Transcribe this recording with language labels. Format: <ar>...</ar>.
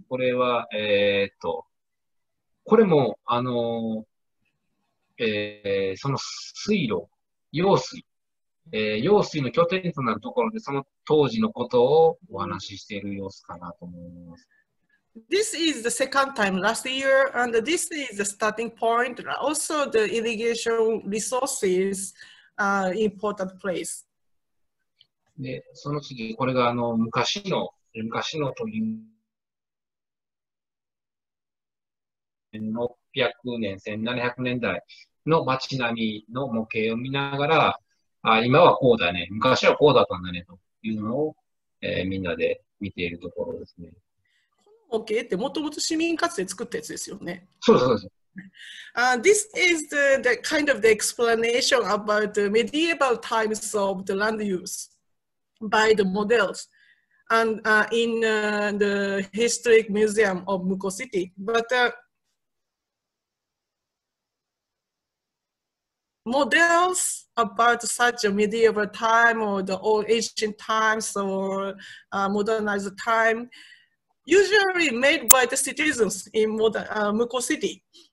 <ja>これは、これも、その水路、用水、用水の拠点となるところで、その当時のことをお話ししている様子かなと思います。</ja> <en>This is the second time last year, and this is the starting point, also the irrigation resources, important place.</en> <ja>で、その次、これが、昔のという1600年、1700年代の町並みの模型を見ながら、あ、今はこうだね、昔はこうだったんだねというのを、みんなで見ているところですね。この模型ってもともと市民活動で作ったやつですよね。そうです、そうです。</ja> <en>This is the kind of the explanation about the medieval times of the land use by the models. And in the historic museum of Muko City, but models about such a medieval time or the old ancient times or modernized time, usually made by the citizens in Muko City.</en>